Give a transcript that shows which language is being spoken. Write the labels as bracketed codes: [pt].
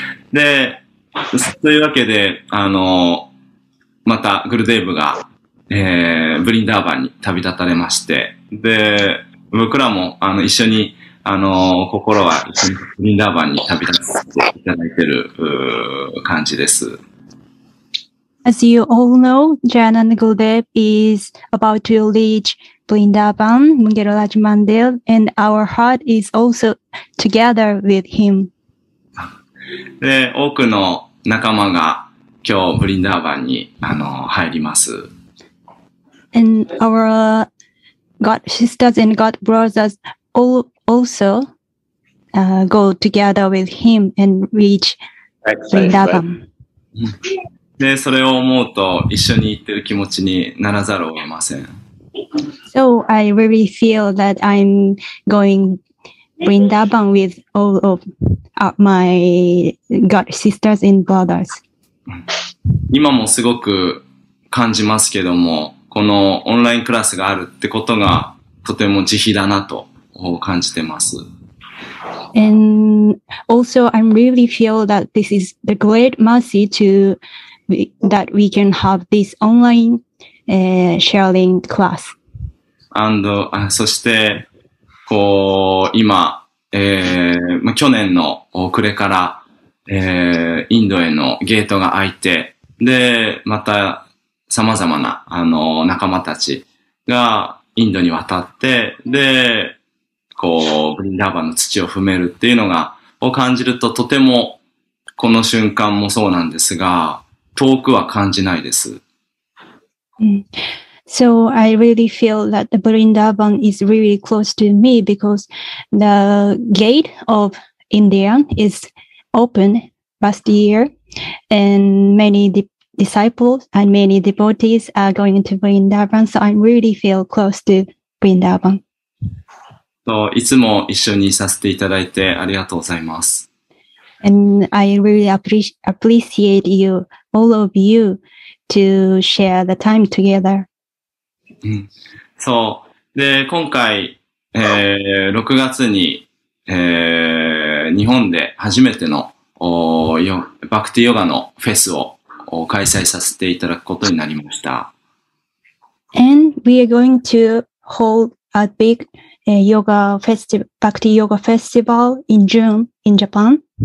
[ja] で、というわけで、またグルデーブが、ブリンダーバンに旅立たれまして、で、僕らも、一緒に、心は一緒にブリンダーバンに旅立つていただいてる、感じです。 [en] As you all know, Jan and Gurudev is about to reach Vrindavan, Mungeraj Mandir, and our heart is also together with him. [ja] で、多くの仲間が今日ブリンダーバンに入ります。 [en] And our God sisters and God brothers all also go together with him and reach Vrindavan. [ja] で、それを思うと一緒に行ってる気持ちにならざるを得ません。 [en] So I really feel that I'm going Vrindavan with all of my God sisters and brothers. [ja] 今もすごく感じますけども、このオンラインクラスがあるってことがとても慈悲だなと感じてます。 [en] And also I really feel that this is the great mercy toThat we can have this online sharing class. [ja] And, そして、こう、今、去年の暮れから、インドへのゲートが開いて、で、また、様々な、仲間たちが、インドに渡って、で、こう、ブリンダーバンの土を踏めるっていうのが、を感じると、とても、この瞬間もそうなんですが、遠くは感じないです。 [en] So I really feel that the Vrindavan is really close to me because the gate of India is open last year and many disciples and many devotees are going to Vrindavan, so I really feel close to Vrindavan. [ja] いつも一緒にさせていただいてありがとうございます。 [en] And I really appreciate you, all of you, to share the time together. [ja] そう。で、今回、6月に、日本で初めてのバクティヨガのフェスを開催させていただくことになりました。 [en] And we are going to hold a big yoga festival, Bhakti Yoga Festival in June in Japan.